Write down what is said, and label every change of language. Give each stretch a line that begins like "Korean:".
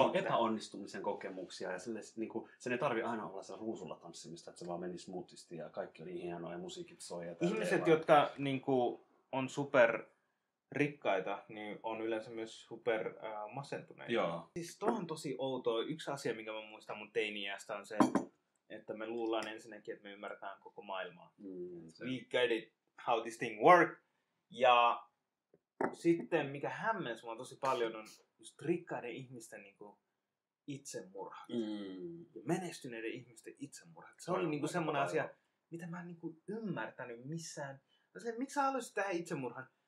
Finnish: Joo, epäonnistumisen kokemuksia ja sille, niin kuin, sen ei tarvitse aina olla sillä ruusulla tanssimista, että se vaan meni smoothisti ja kaikki oli hienoa ja musiikit soi. Ja ihmiset, jotka niin kuin, on super rikkaita, niin on yleensä myös super masentuneita. Joo. Siis tuo on tosi outoa. Yksi asia, minkä mä muistan mun teini-iästä on se, että me luullaan ensinnäkin, että me ymmärretään koko maailmaa. Mm,
English: we get it, how this thing work.
Finnish: Ja sitten, mikä hämmensi mua tosi paljon, on just rikkaiden ihmisten niinku itsemurhat. Mm. Menestyneiden ihmisten itsemurhat. Se oli niinku semmoinen asia, mitä mä en niinku ymmärtänyt missään. Miksi sä haluaisit tehdä itsemurhan?